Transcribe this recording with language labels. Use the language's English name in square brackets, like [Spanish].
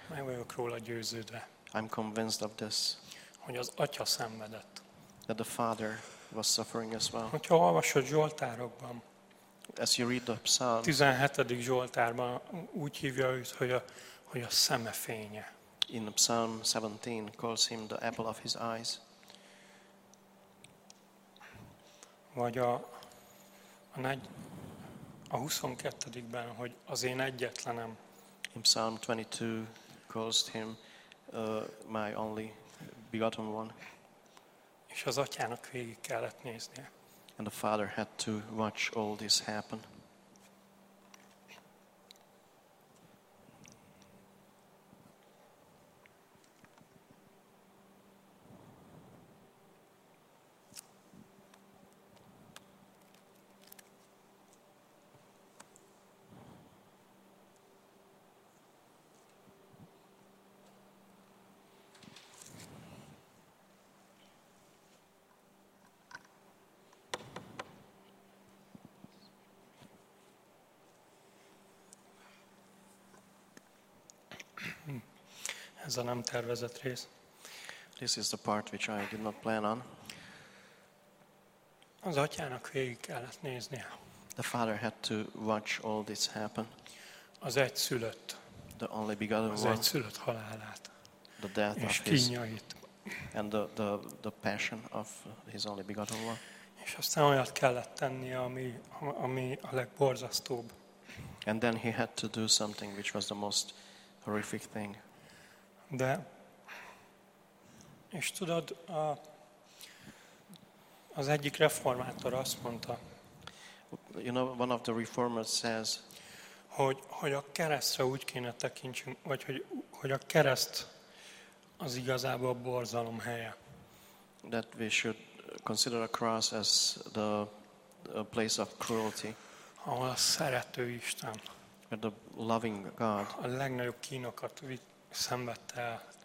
[Hungarian] Meg vagyok róla győződve. [English] I'm convinced of this. [Hungarian] Hogy az atya szenvedett. [English] That the father was suffering as well. [Hungarian] Hogyha olvasod Zsoltárokban. [English] As you read the Psalms. [Hungarian] 17. Zsoltárban úgy hívja őt, hogy a szeme fénye. [English] In Psalm 17 calls him the apple of his eyes. [Hungarian] Vagy a 22-ben, hogy az én egyetlenem. [English] In Psalm 22 calls him my only begotten one. [Hungarian] És az atyának végig kellett néznie. [English] And the father had to watch all this happen. [Hungarian] Ez a nem tervezett rész. [English] This is the part which I did not plan on. [Hungarian] Az atyának végig kellett néznie. [English] The father had to watch all this happen. [Hungarian] Az egyszülött. [English] The only begotten one. [Hungarian] Az egyszülött halálát. [English] The death [Hungarian] és [English] of his. [Hungarian] Kínjait. [English] And the passion of his only begotten one. [Hungarian] És aztán olyat kellett tennie, ami a legborzasztóbb. [English] And then he had to do something which was the most horrific thing. [Hungarian] De, és tudod, az egyik reformátor azt mondta, [English] you know, one of the reformers says, [Hungarian] hogy a keresztre úgy kéne tekintsünk, vagy hogy a kereszt az igazából a borzalom helye. [English] that we should consider a cross as the place of cruelty. [Hungarian] Ahol a szerető Isten, [English] where the loving God, [Hungarian] a legnagyobb kínokat szenvedte el,